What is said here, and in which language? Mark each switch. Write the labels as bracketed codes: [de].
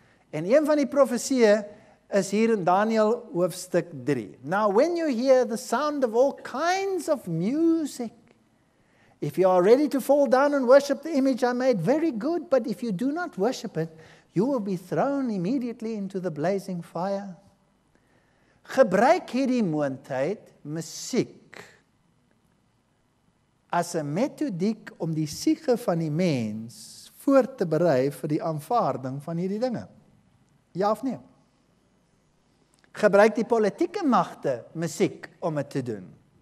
[af] En een van die profesieë is hier in Daniël hoofstuk 3. [en] Now when you hear the sound of all kinds of music, if you are ready to fall down and worship the image I made, very good, but if you do not worship it, you will be thrown immediately into the blazing fire. [af] Gebruik hierdie moontheid musiek as 'n metodiek om die siege van die mens voor te berei vir die aanvaarding van hierdie dinge. Ja of nee? Gebruik die politieke magte musiek om dit te doen.